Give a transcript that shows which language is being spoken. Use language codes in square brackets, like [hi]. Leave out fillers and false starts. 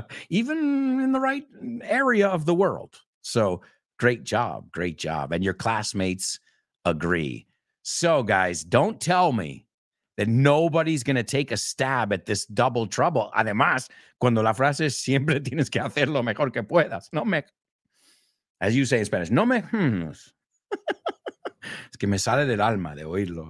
[en] Even in the right area of the world. So great job. Great job. And your classmates agree. So guys, don't tell me that nobody's going to take a stab at this double trouble. [es] Además, cuando la frase es siempre tienes que hacer lo mejor que puedas. No me, [en] as you say in Spanish, no me. [es] Es que me sale del alma de oírlo.